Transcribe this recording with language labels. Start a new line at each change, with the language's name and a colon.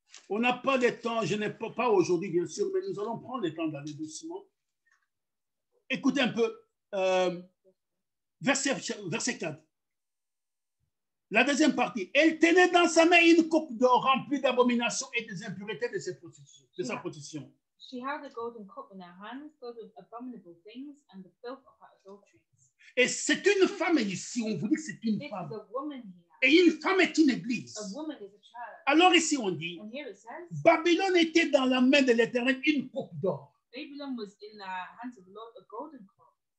French: On n'a pas le temps, je n'ai pas aujourd'hui bien sûr, mais nous allons prendre le temps d'aller doucement. Écoutez un peu, verset 4. La deuxième partie, elle tenait dans sa main une coupe d'or remplie d'abominations et des impuretés de, sa prostitution.
English: She had a golden cup in her hand, filled with abominable things and the filth of her adulteries.
French: Et c'est une femme ici, on vous dit que c'est une
English: this
French: femme.
English: Is a woman here.
French: Et une femme est une église.
English: A woman is a church.
French: Alors ici on dit,
English: and here it says,
French: Babylone était dans la main de l'Éternel une coupe d'or.
English: Babylon was in the hands of the Lord a golden cup.